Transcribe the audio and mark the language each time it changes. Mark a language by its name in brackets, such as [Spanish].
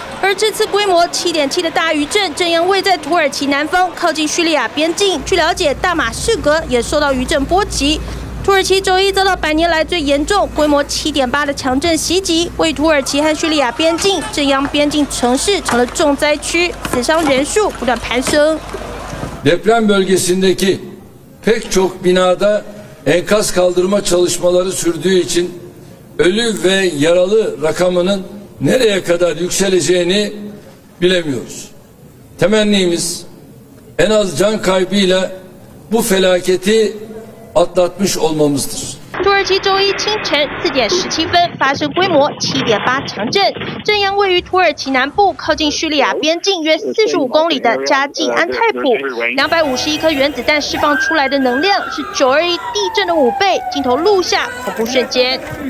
[Chinese] 而这次规模 7.7 的大余震正央位在土耳其南方靠近叙利亚边境，据了解大马士革也受到余震波及。土耳其周一遭到百年来最严重、规模 7.8 的强震袭击，为土耳其和叙利亚边境正央边境城市成了重灾区，死伤人数不断攀升。 [Turkish] Deprem bölgesindeki pek çok binada enkaz kaldırma çalışmaları sürdüğü için ölü ve yaralı rakamının nereye kadar yükseleceğini bilemiyoruz. Temennimiz en az can kaybıyla bu felaketi atlatmış olmamızdır. [Chinese] 土耳其周一清晨4:17发生规模7.8强震，震央位于土耳其南部靠近叙利亚边境约45公里的加济安泰普。 251颗原子弹释放出来的能量是921地震的5倍。镜头录下恐怖瞬间。